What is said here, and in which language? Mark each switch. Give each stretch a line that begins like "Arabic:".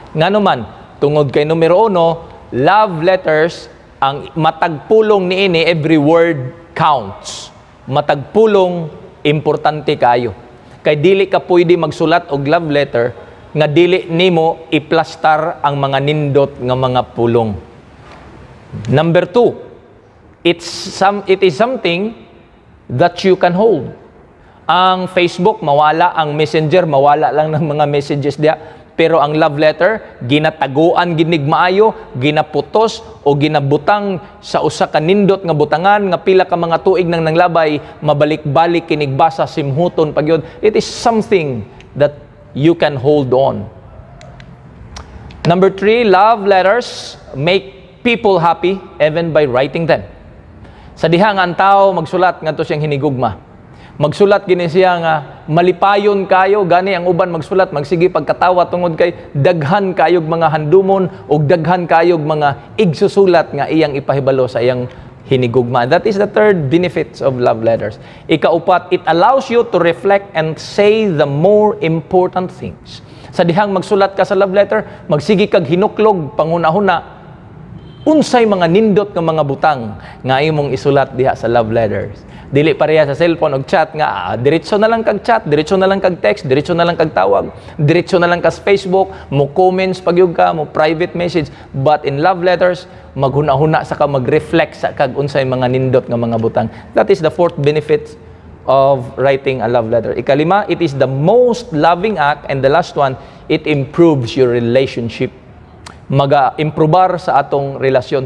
Cebuano: Ngano man, tungod kay numero uno, love letters ang matagpulong niini,
English: every word counts.
Cebuano: Matagpulong, importante kayo. Kay dili ka pwede magsulat og love letter nga dili nimo iplastar ang mga nindot nga mga pulong.
English: Number two, it is something that you can hold.
Cebuano: Ang Facebook, mawala. Ang Messenger, mawala lang ng mga messages diya. Pero ang love letter, ginataguan, ginigmaayo, ginaputos, o ginabutang sa usa ka nindot nga butangan, nga pila ka mga tuig nang nanglabay, mabalik-balik, kinigbasa, simhuton, pagyod.
English: It is something that you can hold on. Number three, love letters make people happy even by writing them.
Cebuano: Sa dihang ang tao magsulat ngadto siyang hinigugma. Magsulat gini siya nga malipayon kayo, gani ang uban magsulat, magsige pagkatawa tungod kay daghan kayog mga handumon o daghan kayog mga igsusulat nga iyang ipahibalo sa iyang hinigugma.
English: That is the third benefits of love letters.
Cebuano: Ikaupat,
English: it allows you to reflect and say the more important things.
Cebuano: Sa dihang magsulat ka sa love letter, magsige kag hinuklog panghuna-huna unsay mga nindot ng mga butang nga imong isulat diha sa love letters. Dili pareha sa cellphone og chat nga diretso na lang kag chat, diretso na lang kag text, diretso na lang kag tawag, diretso na lang kag Facebook, mo comments pagyug ka, mo private message,
English: but in love letters
Cebuano: maghunahuna sa ka mag-reflect sa kag unsay mga nindot ng mga butang.
English: That is the fourth benefit of writing a love letter.
Cebuano: Ikalima,
English: it is the most loving act, and the last one, it improves your relationship.
Cebuano: Mag-improbar sa atong relasyon.